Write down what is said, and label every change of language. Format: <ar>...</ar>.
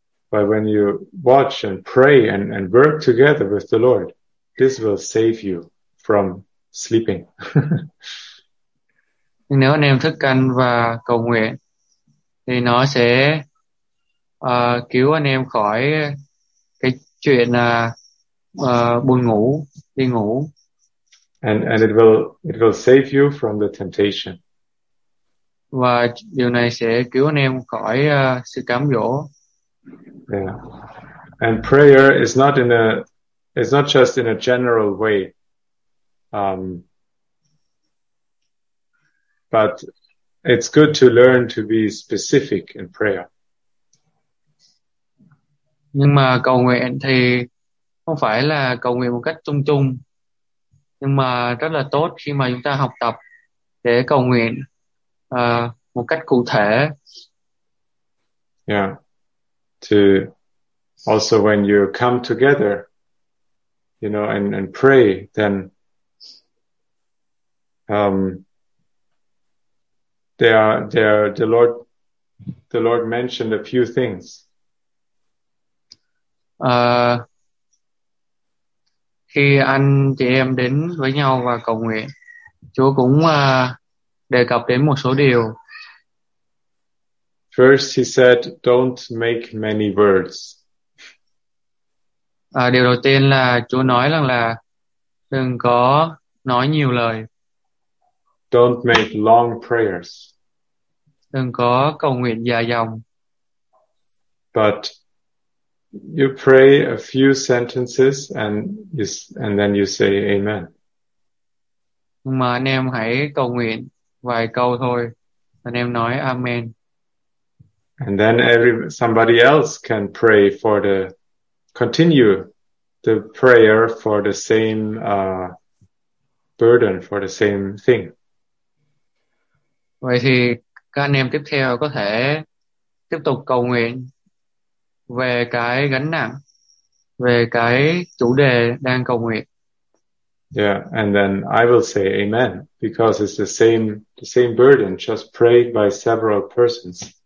<en>But when you watch and pray and work together with the Lord, this will save you from sleeping.</en> <vi>Nhưng nếu anh em thức canh và cầu nguyện, thì nó sẽ cứu anh em khỏi cái chuyện buồn ngủ, đi ngủ.</vi> <en>And it will save you from the temptation.</en> <vi>Và điều này sẽ cứu anh em khỏi sự cám dỗ.</vi> <en>Yeah. And prayer is not in a it's not just in a general way. But it's good to learn to be specific in prayer.</en> <vi>Nhưng mà cầu nguyện thì không phải là cầu nguyện một cách chung chung. Nhưng mà rất là tốt khi mà chúng ta học tập để cầu nguyện một cách cụ thể.</vi> <en>Yeah. To also when you come together, you know, and pray, then the Lord mentioned a few things.</en> <vi>Khi anh chị em đến với nhau và cầu nguyện, Chúa cũng đề cập đến một số điều.</vi> <en>First, he said, "Don't make many words."</en> <vi>Điều đầu tiên là Chúa nói rằng là đừng có nói nhiều lời.</vi> <en>Don't make long prayers.</en> <vi>Đừng có cầu nguyện dài dòng.</vi> <en>But you pray a few sentences and then you say amen.</en> <vi>Nhưng mà anh em hãy cầu nguyện vài câu thôi. Anh em nói amen.</vi> <en>And then somebody else can pray for the continue the prayer for the same burden for the same thing.</en> <vi>Vậy thì các anh em tiếp theo có thể tiếp tục cầu nguyện về cái gánh nặng, về cái chủ đề đang cầu nguyện.</vi> <en>Yeah, and then I will say amen because it's the same burden just prayed by several persons.</en>